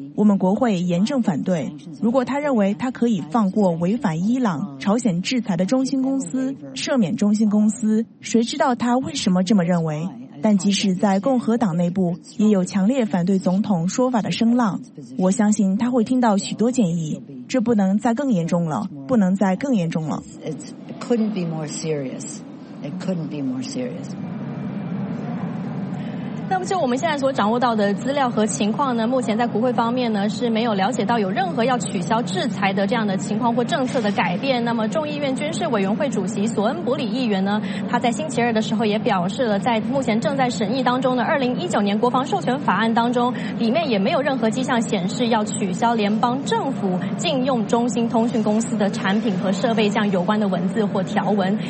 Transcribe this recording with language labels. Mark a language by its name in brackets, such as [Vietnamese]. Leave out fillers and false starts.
[Chinese] 我们国会严正反对，如果他认为他可以放过违反伊朗、朝鲜制裁的中兴公司，赦免中兴公司，谁知道他为什么这么认为？但即使在共和党内部，也有强烈反对总统说法的声浪。我相信他会听到许多建议，这不能再更严重了，不能再更严重了。 [English] It couldn't be more serious. It couldn't be more serious. [Chinese] 那么就我们现在所掌握到的资料和情况呢，目前在国会方面呢是没有了解到有任何要取消制裁的这样的情况或政策的改变。那么众议院军事委员会主席索恩伯里议员呢，他在星期二的时候也表示了，在目前正在审议当中的2019年国防授权法案当中，里面也没有任何迹象显示要取消联邦政府禁用中兴通讯公司的产品和设备这样有关的文字或条文。